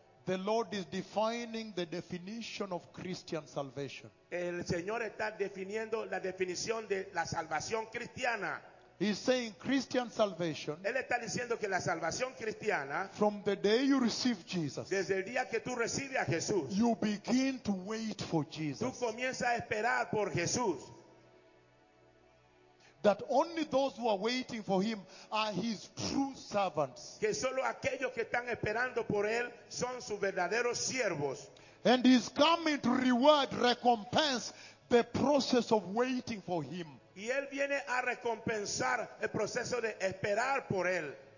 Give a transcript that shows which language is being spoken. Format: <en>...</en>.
<en>The Lord is defining the definition of Christian salvation.</en> <es>El Señor está definiendo la definición de la salvación cristiana.</es> <en>He's saying Christian salvation.</en> <es>Él está diciendo que la salvación cristiana.</es> <en>From the day you receive Jesus.</en> <es>Desde el día que tú recibes a Jesús.</es> <en>You begin to wait for Jesus.</en> <es>Tú comienzas a esperar por Jesús.</es> <en>That only those who are waiting for him are his true servants.</en> <es>Que solo aquellos que están esperando por él son sus verdaderos siervos.</es> <en>And he's coming to reward, recompense the process of waiting for him.</en> <es>Y él viene a recompensar el proceso de esperar por él.</es>